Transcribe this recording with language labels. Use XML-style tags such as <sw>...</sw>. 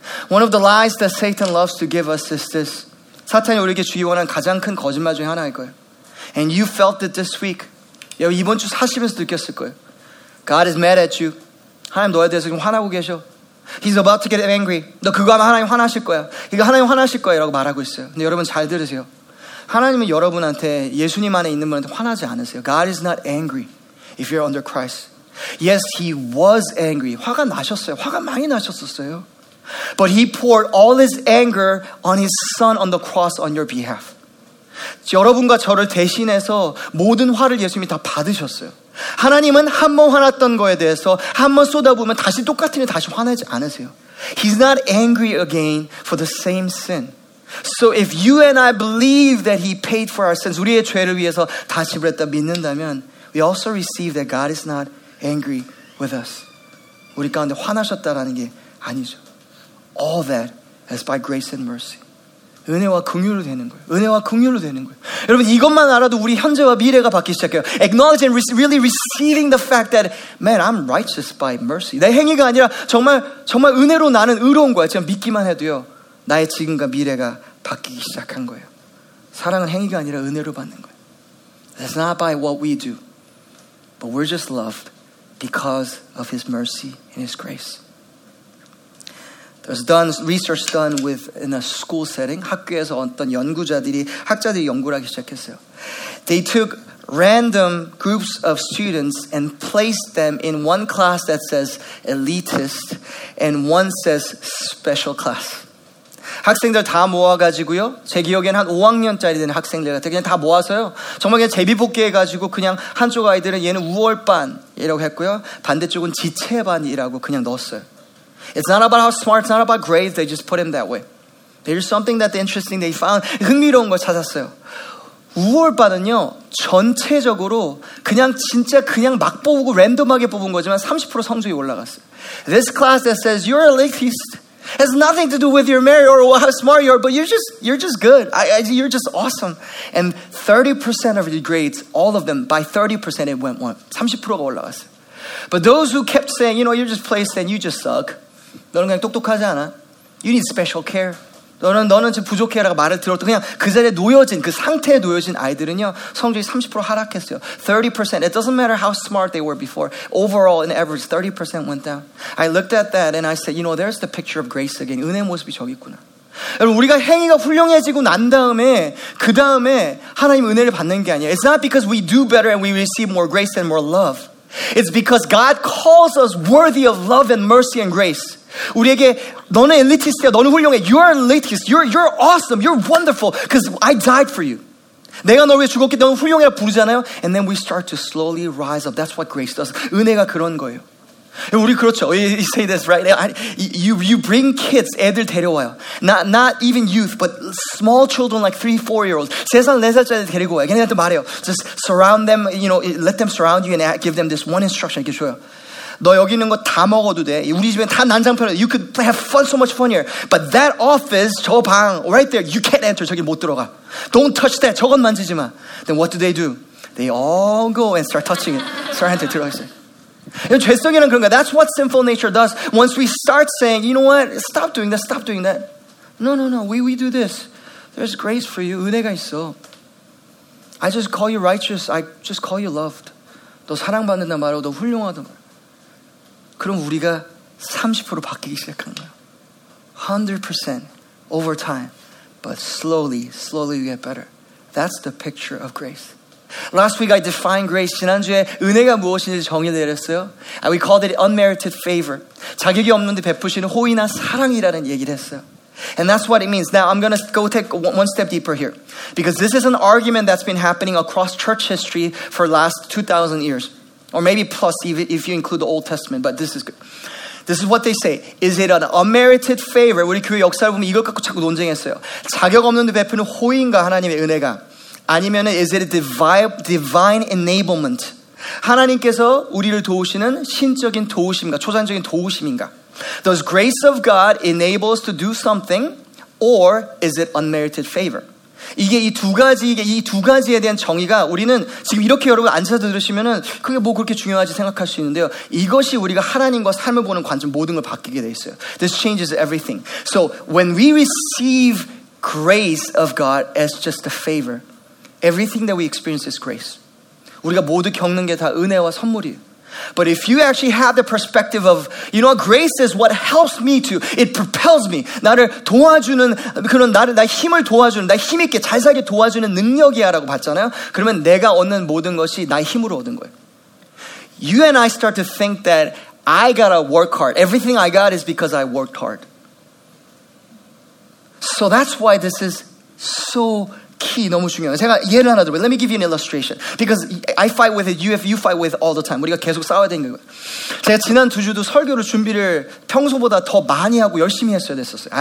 <en>One of the lies that Satan loves to give us is this.</en> <ko>사탄이 우리에게 주기 원한 가장 큰 거짓말 중에 하나일 거예요.</ko> <en>And you felt it this week.</en> <ko>이번 주 사시면서 느꼈을 거예요.</ko> <en>God is mad at you.</en> <ko>하나님 너에 대해서 지금 화나고 계셔. He's about to get angry. 너 그거 하면 하나님 화나실 거야. 이거 하나님 화나실 거야 라고 말하고 있어요. 근데 여러분 잘 들으세요. 하나님은 여러분한테 예수님 안에 있는 분한테 화나지 않으세요.</ko> <en>God is not angry if you're under Christ. Yes, he was angry.</en> <ko>화가 나셨어요. 화가 많이 나셨었어요.</ko> <en>But he poured all his anger on his son on the cross on your behalf.</en> <ko>여러분과 저를 대신해서 모든 화를 예수님이 다 받으셨어요. 하나님은 한 번 화났던 거에 대해서 한 번 쏟아부으면 다시 똑같은 일 다시 화내지 않으세요.</ko> <en>He's not angry again for the same sin. So if you and I believe that he paid for our sins,</en> <ko>우리의 죄를 위해서 다시 부렸다 믿는다면</ko> <en>we also receive that God is not angry with us.</en> <ko>우리 가운데 화나셨다라는 게 아니죠.</ko> <en>All that is by grace and mercy.</en> <ko>은혜와 긍휼로 되는 거예요. 은혜와 긍휼로 되는 거예요. 여러분 이것만 알아도 우리 현재와 미래가 바뀌기 시작해요.</ko> <en>Acknowledge and really receiving the fact that man, I'm righteous by mercy.</en> <ko>내 행위가 아니라 정말 은혜로 나는 의로운 거야. 지금 믿기만 해도요. 나의 지금과 미래가 바뀌기 시작한 거예요. 사랑은 행위가 아니라 은혜로 받는 거예요.</ko> <en>It's not by what we do. But we're just loved because of his mercy and his grace. There's done research done with in a school setting.</en> <ko>학교에서 어떤 학자들이 연구를 하기 시작했어요.</ko> <en>They took random groups of students and placed them in one class that says elitist and one says special class.</en> <ko>학생들 다 모아가지고요. 제 기억엔 한 5학년짜리 된 학생들 같아요. 그냥 다 모아서요. 정말 그냥 제비뽑기 해가지고 그냥 한쪽 아이들은 얘는 우월반이라고 했고요. 반대쪽은 지체반이라고 그냥 넣었어요.</ko> <en>It's not about how smart, it's not about grades, they just put him that way. There's something that's interesting they found.</en> <ko>흥미로운 걸 찾았어요. 우월반은요, 전체적으로 그냥 진짜 그냥 막 뽑고 랜덤하게 뽑은 거지만 30% 성적이 올라갔어요.</ko> <en>This class that says you're elitist has nothing to do with your merit or how smart you are, but you're just good. You're just awesome. And 30% of the grades, all of them, by 30% it went one.</en> <ko>30%가 올라갔어요.</ko> <en>But those who kept saying, you know, you're just placed and you just suck.</en> <ko>너는 그냥 똑똑하지 않아?</ko> <en>You need special care.</en> <ko>너는 지금 부족해 라고 말을 들었던 그냥 그 자리에 놓여진, 그 상태에 놓여진 아이들은요. 성적이 30% 하락했어요. 30%.</ko> <en>It doesn't matter how smart they were before. Overall, in average, 30% went down. I looked at that and I said, you know, there's the picture of grace again.</en> <ko>은혜 모습이 저기 있구나. 여러분, 우리가 행위가 훌륭해지고 난 다음에 그 다음에 하나님 은혜를 받는 게 아니에요.</ko> <en>It's not because we do better and we receive more grace and more love. It's because God calls us worthy of love and mercy and grace.</en> <ko>우리에게 너는 엘리티스트야, 너는 훌륭해.</ko> <en>You're elitist. You're awesome. You're wonderful. Because I died for you.</en> <ko>내가 너를 위해 죽었기 때문에 훌륭해라 부르잖아요.</ko> <en>And then we start to slowly rise up. That's what grace does.</en> <ko>은혜가 그런 거예요. 우리 그렇죠.</ko> <en>You say this, right? You bring kids,</en> <ko>애들 데려와요.</ko> <en>Not even youth, but small children like 3-4-year-olds.</en> <ko>세 살, 네 살짜리 데리고 와요. 걔네한테 말해요.</ko> <en>Just surround them, you know, let them surround you and give them this one instruction.</en> <ko>이렇게 줘요. 너 여기 있는 거 다 먹어도 돼. 우리 집엔 다 난장판이야.</ko> <en>You could have fun, so much fun here. But that office,</en> <ko>저 방,</ko> <en>right there, you can't enter.</en> <ko>저기 못 들어가.</ko> <en>Don't touch that.</en> <ko>저건 만지지 마.</ko> <en>Then what do? They all go and start touching it. Start entering,</en> <ko>들어가 있어요. 죄성이란 그런 거야.</ko> <en>That's what sinful nature does. Once we start saying, you know what? Stop doing that. No. We do this. There's grace for you.</en> <ko>은혜가 있어.</ko> <en>I just call you righteous. I just call you loved.</en> <ko>너 사랑받는다 말하고 너 훌륭하다 말. 그럼 우리가 30% 바뀌기 시작하는 거야.</ko> <en>100% over time. But slowly you get better. That's the picture of grace. Last week I defined grace.</en> <ko>지난주에 은혜가 무엇인지 정의를 내렸어요.</ko> <en>And we called it unmerited favor.</en> <ko>자격이 없는데 베푸시는 호의나 사랑이라는 얘기를 했어요.</ko> <en>And that's what it means. Now I'm going to go take one step deeper here. Because this is an argument that's been happening across church history for last 2,000 years. Or maybe plus if you include the Old Testament. But this is good. This is what they say. Is it an unmerited favor?</en> <ko>우리 교회 역사를 보면 이걸 갖고 자꾸 논쟁했어요. 자격 없는데 베푸는 호의인가 하나님의 은혜가? 아니면</ko> <en>is it a divine enablement?</en> <ko>하나님께서 우리를 도우시는 신적인 도우심인가? 초자연적인 도우심인가?</ko> <en>Does grace of God enable us to do something? Or is it unmerited favor?</en> <ko>이게 이 두 가지에 대한 정의가 우리는 지금 이렇게 여러분 앉아서 들으시면은 그게 뭐 그렇게 중요하지 생각할 수 있는데요. 이것이 우리가 하나님과 삶을 보는 관점 모든 걸 바뀌게 돼 있어요.</ko> <en>This changes everything. So when we receive grace of God as just a favor, everything that we experience is grace.</en> <ko>우리가 모두 겪는 게 다 은혜와 선물이에요.</ko> <en>But if you actually have the perspective of, you know, grace is what helps me to, it propels me.</en> <ko>나를 도와주는, 그런 나를, 나 힘을 도와주는, 나 힘있게 잘 살게 도와주는 능력이야라고 봤잖아요. 그러면 내가 얻는 모든 것이 나의 힘으로 얻은 거예요.</ko> <en>You and I start to think that I gotta work hard. Everything I got is because I worked hard. So that's why this is so key,</en> <ko>너무 중요해요. 제가 예를 하나 드릴게요.</ko> <en>Let me give you an illustration. Because I fight with it, you fight with it all the time.</en> <ko>우리가 계속 싸워야 되는 거예요. 제가 지난 두 주도 설교를 준비를 평소보다 더 많이 하고 열심히 했어야 됐었어요.</ko>